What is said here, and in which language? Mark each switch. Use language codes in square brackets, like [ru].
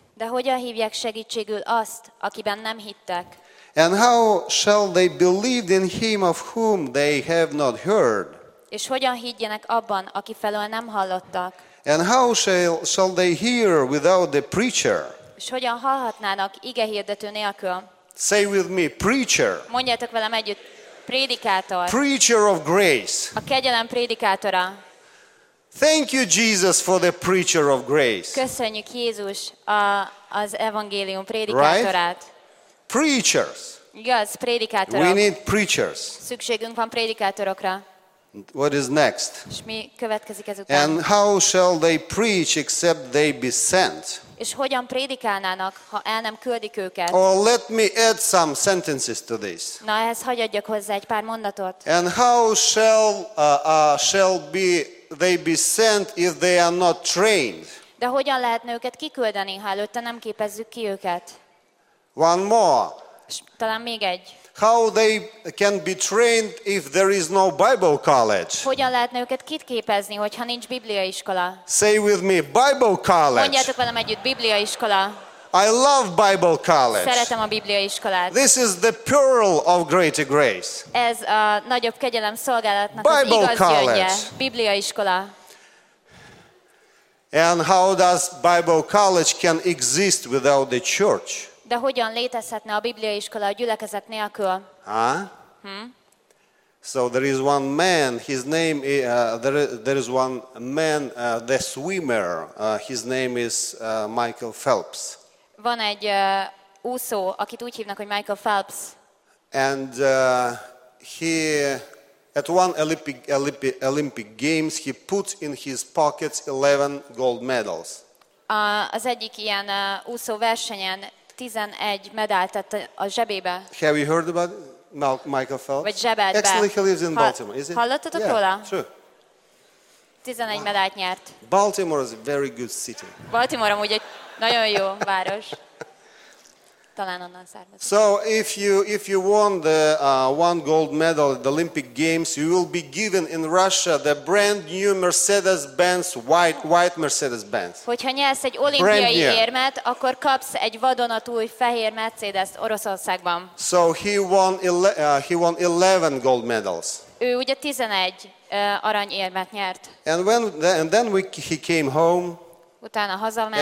[hu] De hogyan hívják segítségül azt, akiben nem hittek? [en] And how shall they believe in him of whom they have not heard? [hu] És hogyan higgyenek abban, aki felől nem hallottak? [en] And how shall they hear without the preacher? [hu] És hogyan hallhatnának ige hirdető nélkül? [en] Say with me, preacher. [hu] Mondjátok velem együtt, prédikátor. [en] Preacher of grace. [hu] A kegyelem prédikátora. [en] Thank you, Jesus, for the preacher of grace. [hu] Köszönjük Jézus az evangélium prédikátorát. [en] Right? Preachers. [hu] Igaz, prédikátorok. [en] We need preachers. [hu] Szükségünk van prédikátorokra. [en] What is next? [hu] És mi következik ezután? [en] And how shall they preach except they be sent? [hu] És hogyan prédikálnának, ha el nem küldik őket? [en] Or let me add some sentences to this. [hu] Na, ehhez hagy adjak hozzá egy pár mondatot. [en] And how shall they be sent if they are not trained? [hu] De hogyan lehetne őket kiküldeni, ha előtte nem képezzük ki őket? [en] One more. [hu] Talán még egy. [en] How they can be trained if there is no Bible college? [hu] Hogyan lehetne őket kitképezni, hogyha nincs bibliaiskola? [en] Say with me, Bible college. [hu] Mondjátok velem együtt, bibliaiskola. [en] I love Bible college. [hu] Szeretem a bibliaiskolát. [en] This is the pearl of greater grace. [hu] Ez a nagyobb kegyelem szolgálatnak az igazi gyöngye. Bibliaiskola. [en] And how does Bible college can exist without the church? [hu] De hogyan létezhetne a bibliaiskola a gyülekezet nélkül? [en] So there is one man, his name is, there is one man, the swimmer, his name is Michael Phelps. [hu] Van egy úszó, akit úgy hívnak, hogy Michael Phelps. [en] And he at one Olympic games he put in his pockets 11 gold medals. [hu] Az egyik ilyen úszó versenyen 11 medált tett a zsebébe. [en] Have you heard about Michael Phelps? [hu] Vagy zsebelt be. [en] Actually, he lives in Baltimore, is it? [hu] Hallottatok róla? [en] Yeah, sure. [hu] 11 medált nyert. [en] Baltimore is a very good city. [hu] Baltimore amúgy egy nagyon jó város. Talán onnan származik. [en] So if you won the one gold medal at the Olympic Games, you will be given in Russia the brand new Mercedes-Benz, white Mercedes-Benz. [hu] Hogyha nyersz egy olimpiai érmet, akkor kapsz egy vadonatúj fehér Mercedes-t Oroszországban. [en] So he won 11 gold medals. [hu] Ő ugye 11 aranyérmet nyert. [en] And then he came home. [hu] Utána hazament.